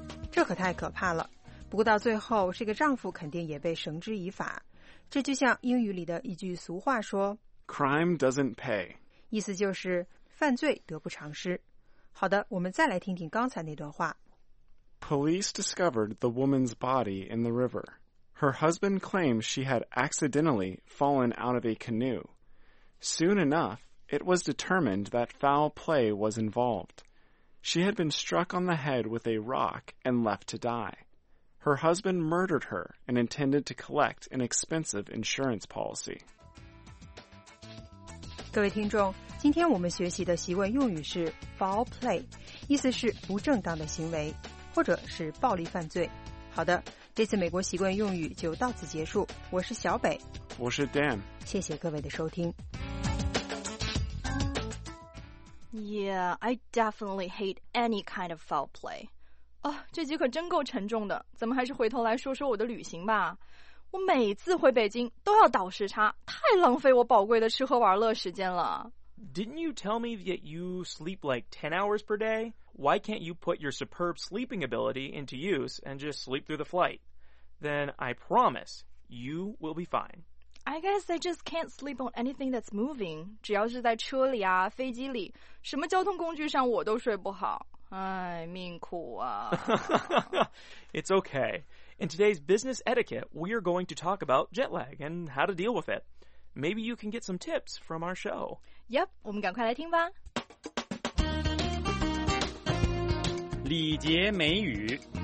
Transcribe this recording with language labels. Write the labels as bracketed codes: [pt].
[zh] 这可太可怕了。不过到最后，这个丈夫肯定也被绳之以法。这就像英语里的一句俗话说 [en] Crime doesn't pay， [zh] 意思就是犯罪得不偿失。好的，我们再来听听刚才那段话。 [en] Police discovered the woman's body in the river. Her husband claimed she had accidentally fallen out of a canoe. Soon enough, it was determined that foul play was involved. She had been struck on the head with a rock and left to die. Her husband murdered her and intended to collect an expensive insurance policy. [zh] 各位听众，今天我们学习的习惯用语是 foul play， 意思是不正当的行为，或者是暴力犯罪。好的，这次美国习惯用语就到此结束。我是小北，我是 Dan，谢谢各位的收听。 [en] Yeah, I definitely hate any kind of foul play. [zh] 哦，这集可真够沉重的，咱们还是回头来说说我的旅行吧。我每次回北京都要倒时差，太浪费我宝贵的吃喝玩乐时间了。 [en] Didn't you tell me that you sleep like 10 hours per day? Why can't you put your superb sleeping ability into use and just sleep through the flight? Then I promise you will be fine. I guess I just can't sleep on anything that's moving. [zh] 只要是在车里啊，飞机里，什么交通工具上我都睡不好。哎，命苦啊。 [en] It's okay. In today's business etiquette, we are going to talk about jet lag and how to deal with it. Maybe you can get some tips from our show. Yep, [zh] 我们赶快来听吧。礼节美语。